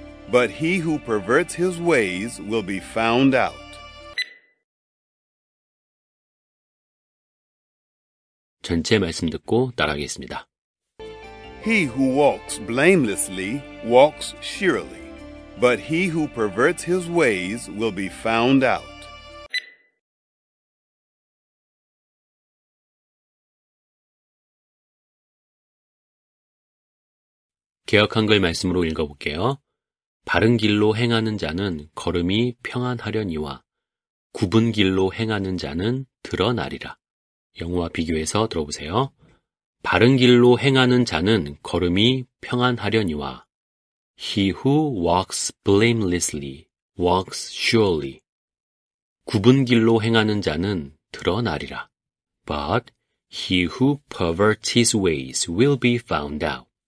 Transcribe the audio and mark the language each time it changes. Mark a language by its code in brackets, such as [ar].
[en] But he who perverts his ways will be found out. [ko] 전체 말씀 듣고 따라하겠습니다. [en] He who walks blamelessly walks surely. But he who perverts his ways will be found out. [ko] 개역한 글 말씀으로 읽어볼게요. 바른 길로 행하는 자는 걸음이 평안하려니와 굽은 길로 행하는 자는 드러나리라. 영어와 비교해서 들어보세요. 바른 길로 행하는 자는 걸음이 평안하려니와 [en] He who walks blamelessly walks surely. [ko] 굽은 길로 행하는 자는 드러나리라. [en] But he who perverts his ways will be found out.